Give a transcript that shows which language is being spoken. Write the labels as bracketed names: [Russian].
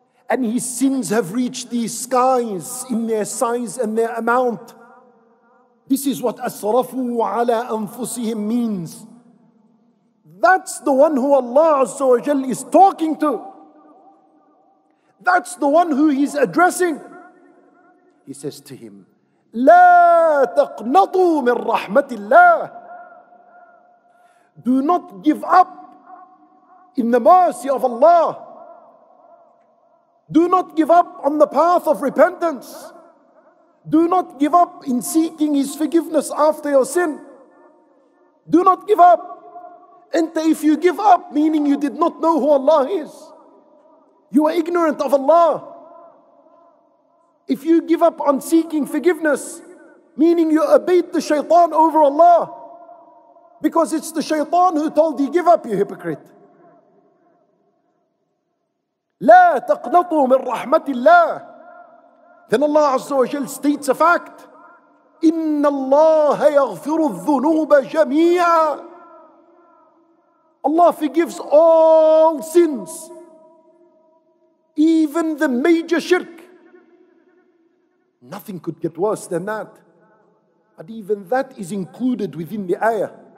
[English] And his sins have reached these skies in their size and their amount. This is what asrafu ala anfusihim means. That's the one who Allah Azza wa Jal is talking to. That's the one who He's addressing. He says to him, [Arabic] لا تقنطوا من رحمة الله. [English] Do not give up in the mercy of Allah. Do not give up on the path of repentance. Do not give up in seeking His forgiveness after your sin. Do not give up. And if you give up, meaning you did not know who Allah is, you are ignorant of Allah. If you give up on seeking forgiveness, meaning you obeyed the shaitan over Allah, because it's the shaitan who told you, give up, you hypocrite. [Arabic] لا تقنطوا من رحمة الله. [English] Then Allah Azza wa Jal states a fact. [Arabic] إن الله يغفر الذنوب جميعا. [English] Allah forgives all sins, even the major shirk. Nothing could get worse than that. But even that is included within the ayah.